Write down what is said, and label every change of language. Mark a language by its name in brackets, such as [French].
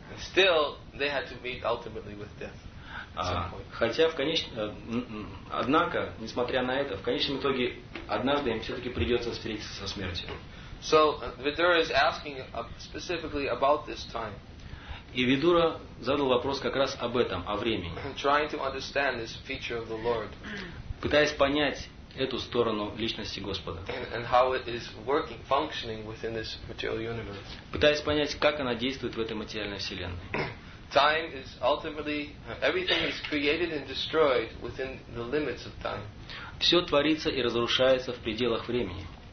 [English] Still, they had to meet ultimately with death. [Russian] Хотя в конечном, однако, несмотря на это, в конечном итоге однажды им все-таки придется встретиться со смертью. [English] So Vidura is asking specifically about this time. [Russian] И Видура задал вопрос как раз об этом, о времени. [English] Trying to understand this feature of the Lord. [Russian] Пытаясь понять эту сторону личности Господа. [English] And how it is working, functioning within this material universe. [Russian] Пытаясь понять, как она действует в этой материальной вселенной. [English] time is ultimately everything is created and destroyed within the limits of time. [Russian] Все творится и разрушается в пределах времени.